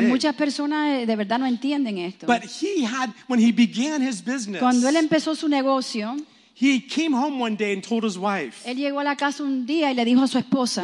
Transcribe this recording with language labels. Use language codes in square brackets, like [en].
[es] Que muchas personas de verdad no entienden esto. [en] But he had when he began his business. [es] Cuando él empezó su negocio. [en] He came home one day and told his wife. [es] Él llegó a la casa un día y le dijo a su esposa.